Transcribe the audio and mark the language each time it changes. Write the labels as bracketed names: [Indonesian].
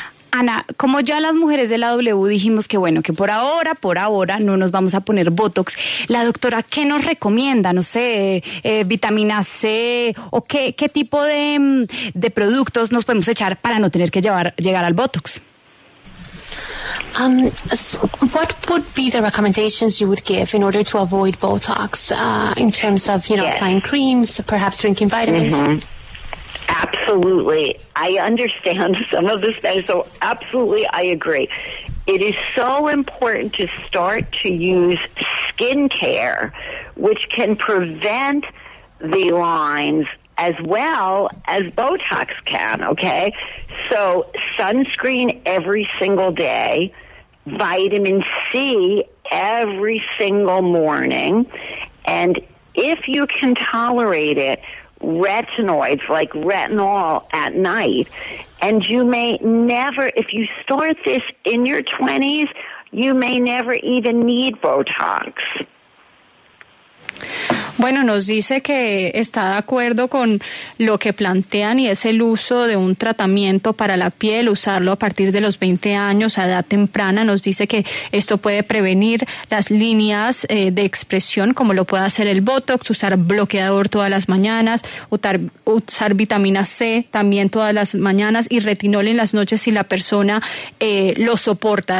[Spanish] Ana, como ya las mujeres de la W dijimos que bueno, que por ahora no nos vamos a poner Botox, la doctora, ¿qué nos recomienda? No sé, vitamina C o qué tipo de productos nos podemos echar para no tener que llegar al Botox. [English] What would be the recommendations you would give in order to avoid Botox in terms of, you know, yes, applying creams, perhaps drinking vitamins? Mm-hmm. Absolutely. I understand some of this, so absolutely I agree. It is so important to start to use skincare, which can prevent the lines as well as Botox can, okay? So sunscreen every single day, vitamin C every single morning, and if you can tolerate it, retinoids like retinol at night. And you may never, if you start this in your 20s, you may never even need Botox. [Spanish] Bueno, nos dice que está de acuerdo con lo que plantean y es el uso de un tratamiento para la piel, usarlo a partir de los 20 años, a edad temprana. Nos dice que esto puede prevenir las líneas de expresión, como lo puede hacer el Botox, usar bloqueador todas las mañanas, usar vitamina C también todas las mañanas y retinol en las noches si la persona lo soporta.